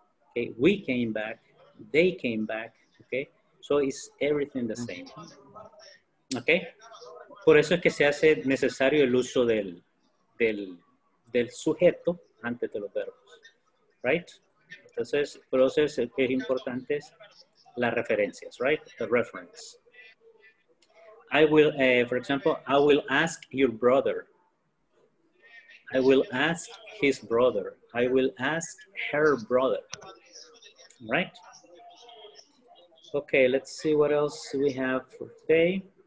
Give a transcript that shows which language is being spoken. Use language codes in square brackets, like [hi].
[en] Okay, we came back, they came back, okay? So it's everything the same, okay? [es] Por eso es que se hace necesario el uso del sujeto antes de los verbos, right? Entonces, por eso es que es importante las referencias, right? [en] The reference. I will, for example, I will ask your brother. I will ask his brother. I will ask her brother. Right? Okay, let's see what else we have for today.